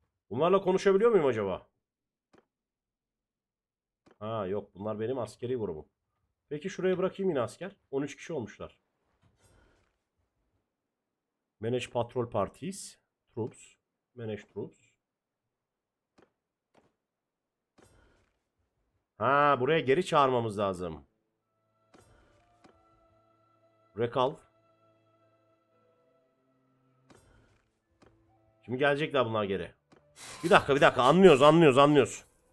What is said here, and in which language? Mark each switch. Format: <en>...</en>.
<tr>Bunlarla konuşabiliyor muyum acaba? Ha yok, bunlar benim askeri grubum. Peki şuraya bırakayım yine asker. 13 kişi olmuşlar.</tr> <en>Manage patrol parties, troops, manage troops.</en> <tr>Ha, buraya geri çağırmamız lazım.</tr> <en>Recall.</en> <tr>Şimdi gelecekler bunlar geri. Bir dakika, anlıyoruz.</tr>